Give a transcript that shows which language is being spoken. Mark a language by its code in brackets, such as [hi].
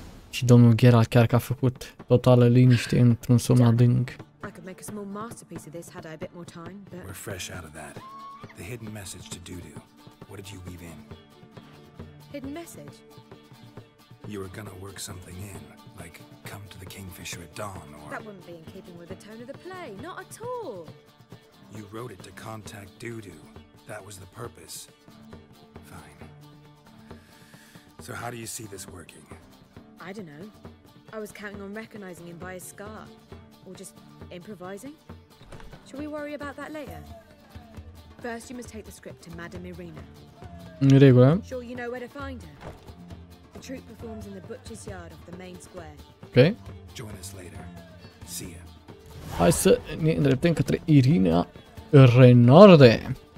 [ro] Și domnul Geralt chiar că a făcut totală liniște într-un somn adânc. [en] I could make a small masterpiece of this had I a bit more time, but... We're fresh out of that. The hidden message to Dudu. What did you weave in? Hidden message? You were gonna work something in, like come to the Kingfisher at dawn, or... That wouldn't be in keeping with the tone of the play, not at all! You wrote it to contact Dudu. That was the purpose. Fine. So how do you see this working? I don't know. I was counting on recognizing him by his scar. Or just improvising. Shall we worry about that later? First, you must take the script to Madame Irina. [ro] În regulă. [en] Sure you know where to find her. The troupe performs in the butcher's yard off the main square. Ok. Join us later. See ya. [ro] Hai să ne îndreptăm către Irina Renarde.